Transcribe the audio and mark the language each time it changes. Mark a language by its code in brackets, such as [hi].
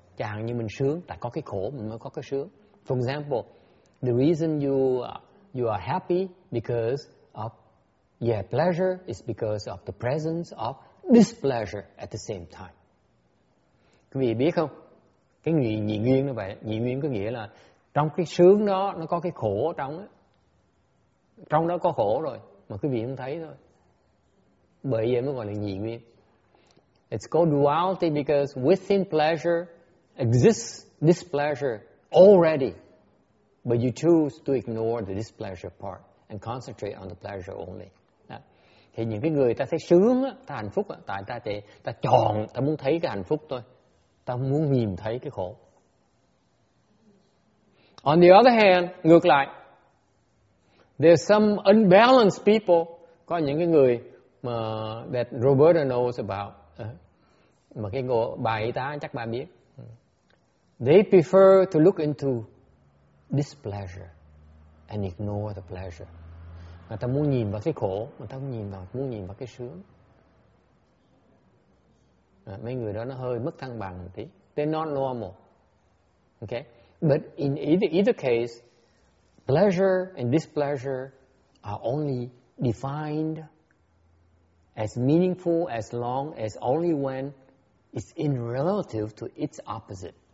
[vi] Chẳng như mình sướng, tại có cái khổ mình mới có cái sướng. [en] For example, the reason you are happy because of your pleasure is because of the presence of displeasure at the same time. [vi] Quý vị biết không? Cái nhị nguyên như vậy, nhị nguyên có nghĩa là trong cái sướng đó nó có cái khổ trong đó. Trong đó có khổ rồi, mà quý vị không thấy thôi. Bởi vậy mới gọi là nhị nguyên. [en] It's called duality because within pleasure exists displeasure already, but you choose to ignore the displeasure part and concentrate on the pleasure only. [vi] Đó. Thì những cái người ta thấy sướng á, ta hạnh phúc á, tại ta thì ta chọn, ta muốn thấy cái hạnh phúc thôi, ta muốn nhìn thấy cái khổ. [en] On the other hand, [vi] ngược lại, [en] there's some unbalanced people, [vi] có những cái người mà [en] that Roberta knows about, [vi] mà cái bài y tá chắc bà biết. [en] They prefer to look into displeasure and ignore the pleasure. [vi] Người ta muốn nhìn vào cái khổ, người ta muốn nhìn vào cái sướng. Mấy người đó nó hơi mất thăng bằng một tí. [en] They're not normal. Okay? But in either case, pleasure and displeasure are only defined as meaningful as long as only when it's in relative to its opposite.